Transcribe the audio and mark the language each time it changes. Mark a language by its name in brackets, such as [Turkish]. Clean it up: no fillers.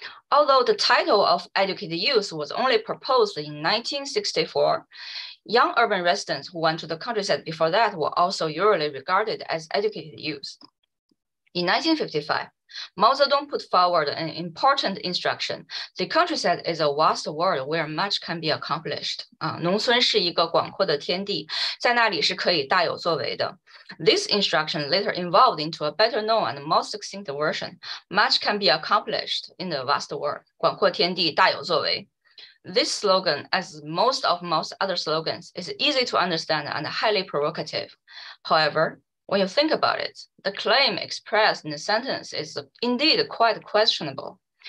[English] Although the title of educated youth was only proposed in 1964, young urban residents who went to the countryside before that were also usually regarded as educated youth. In 1955, Mao Zedong put forward an important instruction. The countryside is a vast world where much can be accomplished. [Chinese] 农村是一个广阔的天地,在那里是可以大有作为的. [English] This instruction later evolved into a better known and more succinct version. Much can be accomplished in the vast world. [Chinese] 广阔天地,大有作为. [English] This slogan, as most of Mao's other slogans, is easy to understand and highly provocative. However, when you think about it, the claim expressed in the sentence is indeed quite questionable.